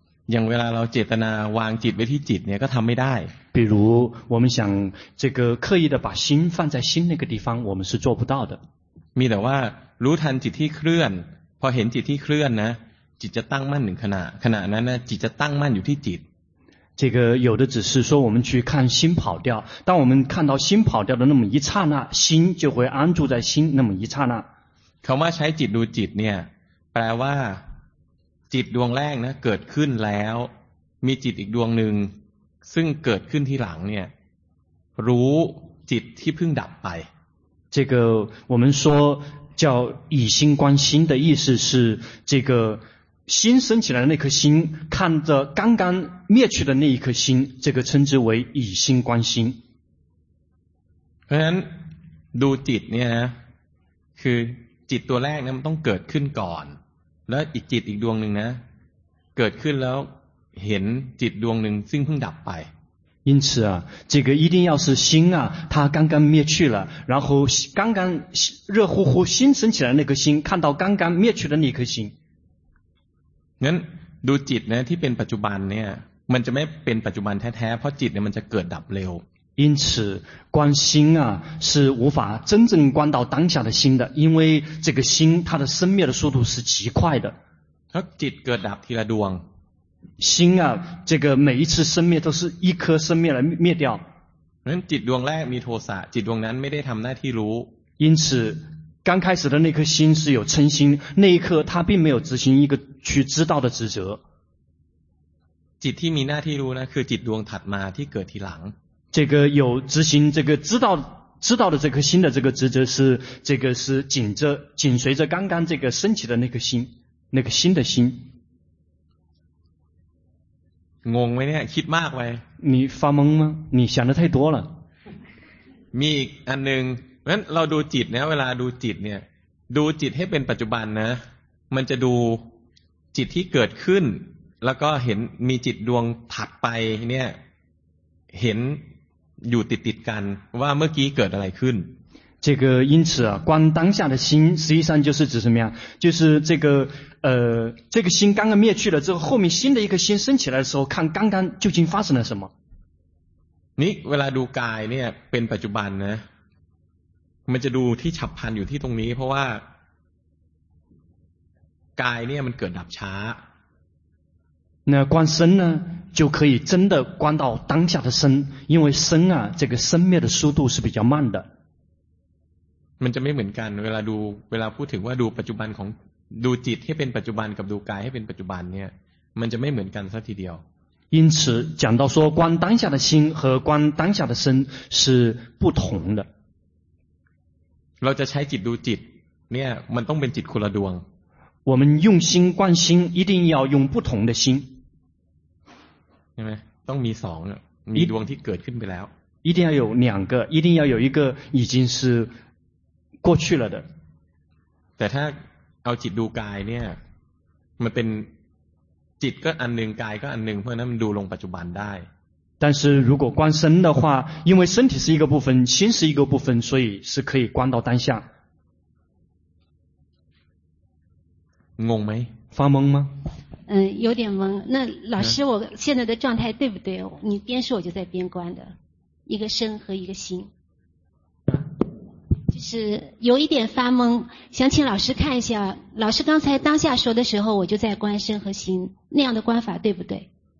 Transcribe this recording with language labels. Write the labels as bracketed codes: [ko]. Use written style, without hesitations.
[th] อย่างเวลาเราเจตนาวางจิตไว้ที่จิตเนี่ยก็ทำไม่ได้ [zh] 比如我们想这个刻意的把心放在心那个地方我们是做不到的 [th] มีแต่ว่ารู้ทันจิตที่เคลื่อนพอเห็นจิตที่เคลื่อนนะจิตจะตั้งมั่นหนึ่งขณะนั้นนะจิตจะตั้งมั่นอยู่ที่จิต [zh] 这个有的只是说我们去看心跑掉当我们看到心跑掉的那么一刹那心就会安住在心那么一刹那 [th] คำว่าใช้จิตดูจิตเนี่ยแปลว่าจิตดวงแรกนะเกิดขึ้นแล้วมีจิตอีกดวงหนึ่งซึ่งเกิดขึ้นที่หลังเนี่ยรู้จิตที่เพิ่งดับไป [zh] 这个我们说叫以心观心的意思是这个心升起来的那颗心看着刚刚灭去的那一颗心这个称之为以心观心 [th] เพราะฉะนั้นดูจิตเนี่ยนะคือจิตตัวแรกนะมันต้องเกิดขึ้นก่อนแล้วอีกจิตอีกดวงหนึ่งนะเกิดขึ้นแล้วเห็นจิตดวงหนึ่งซึ่งเพิ่งดับไป [zh] 因此啊这个一定要是心啊它刚刚灭去了然后刚刚热乎乎心升起来那颗心看到刚刚灭去的那颗心 [th] งั้นดูจิตนะที่เป็นปัจจุบันเนี่ยมันจะไม่เป็นปัจจุบันแท้ๆเพราะจิตเนี่ยมันจะเกิดดับเร็ว [zh] 因此观心啊是无法真正观到当下的心的因为这个心它的生灭的速度是极快的 [th] จิตเกิดดับทีละดวง [zh] 心啊这个每一次生灭都是一颗生灭来灭掉 [th] จิตดวงแรกมีโทสะจิตดวงนั้นไม่ได้ทำหน้าที่รู้ [zh] 因此刚开始的那颗心是有嗔心那一刻它并没有执行一个去知道的职责 [th] จิตที่มีหน้าที่รู้นะคือจิตดวงถัดมาที่เกิดทีหลัง [zh] 这个有执行这个知道的这颗心的这个职责是这个是紧随着刚刚这个升起的那颗心那个心的心 [th] งไว้เนี่ยคิดมากไว้ [zh] 你发懵吗你想的太多了 [th] มีอีกอันนึงงั้นเราดูจิตเนี่ยเวลาดูจิตเนี่ยดูจิตให้เป็นปัจจุบันนะมันจะดูจิตที่เกิดขึ้นแล้วก็เห็นมีจิตดวงถัดไปเนี่ยเห็นอยู่ติดกันว่าเมื่อกี้เกิดอะไรขึ้น [zh] 这个因此啊观当下的心实际上就是指什么呀就是这个心刚刚灭去了之后后面新的一颗心升起来的时候看刚刚究竟发生了什么 [th] นี่เวลาดูกายเนี่ยเป็นปัจจุบันนะมันจะดูที่ฉับพลันอยู่ที่ตรงนี้เพราะว่ากายเนี่ยมันเกิดดับช้า [zh] 那观身呢就可以真的观到当下的身因为身啊这个生灭的速度是比较慢的 [th] มันจะไม่เหมือนกันเวลาพูดถึงว่าดูปัจจุบันของดูจิตให้เป็นปัจจุบันกับดูกายให้เป็นปัจจุบันเนี่ยมันจะไม่เหมือนกันสักทีเดียว [zh] 因此讲到说观当下的心和观当下的身是不同的 [th] เราจะใช้จิตดูจิตเนี่ยมันต้องเป็นจิตคนละดวง [zh] 我们用心观心一定要用不同的心 [th] ใช่ไหมต้องมีสองมีดวงที่เกิดขึ้นไปแล้ว [zh] 一定要有两个一定要有一个已经是过去了的 [th] แต่ถ้าเอาจิตดูกายเนี่ยมันเป็นจิตก็อันหนึ่งกายก็อันหนึ่งเพราะนั้นมันดูลงปัจจุบันได้ [zh] 但是如果观身的话因为身体是一个部分心是一个部分所以是可以观到当下 [th] งงไหม [zh] 发懵吗有点懵那老师我现在的状态对不对你边说我就在边观的一个身和一个心就是有一点发懵想请老师看一下老师刚才当下说的时候我就在观身和心那样的观法对不对